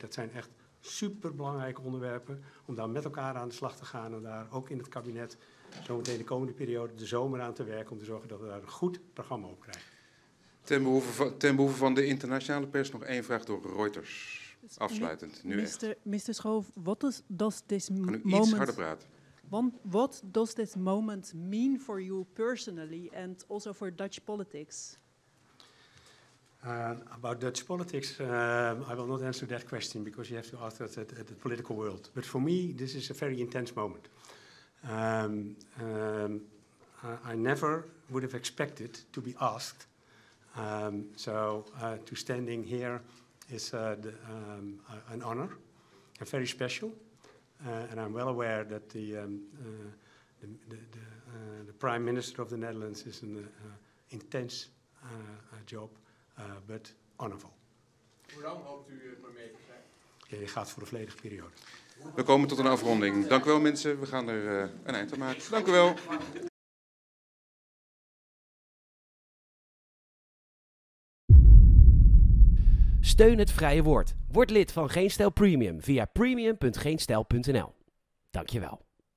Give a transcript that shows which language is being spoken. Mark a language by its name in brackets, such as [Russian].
[Dutch] Dat zijn echt superbelangrijke onderwerpen om daar met elkaar aan de slag te gaan en daar ook in het kabinet zometeen de komende periode de zomer aan te werken om te zorgen dat we daar een goed programma op krijgen. Ten behoeve van de internationale pers nog één vraag door Reuters. Afsluitend, nu [English] Mr. Schoof, what does this moment... [Dutch] Kan u iets harder praten? [English] What does this moment mean for you personally and also for Dutch politics? About Dutch politics, I will not answer that question because you have to ask that at the political world. But for me, this is a very intense moment. I never would have expected to be asked. To standing here... is an honor, and very special, and I'm well aware that the Prime Minister of the Netherlands is an intense job, but honorable. [Dutch] Hoe lang hoopt u maar mee te zijn? Je gaat voor een volledige periode. We komen tot een afronding. Dank u wel, mensen. We gaan er een eind aan maken. Dank u wel. Steun het vrije woord. Word lid van Geen Stijl Premium via premium.geenstijl.nl. Dankjewel.